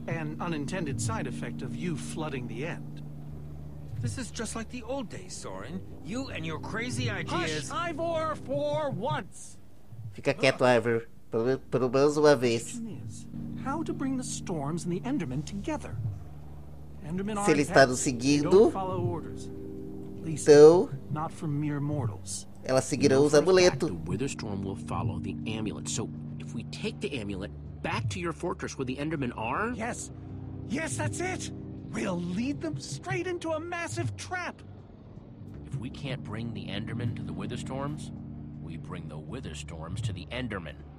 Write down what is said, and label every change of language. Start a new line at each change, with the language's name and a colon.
English: An unintended side effect of you flooding the end. This is just like the old days, Soren. You and your crazy ideas. Hush, Ivor, for once.
Portuguese: Fica quieto, Ivor. Pelo menos uma vez.
English: How to bring the storms and the Endermen together?
Portuguese: Se ele está nos seguindo, então, elas seguirão os amuletos.
English: The Witherstorm will follow the amulet. So, if we take the amulet back to your fortress where the Endermen are? Yes. Yes, that's it. We'll lead them straight into a massive trap. If we can't bring the Endermen to the Witherstorms, we bring the Witherstorms to the Endermen.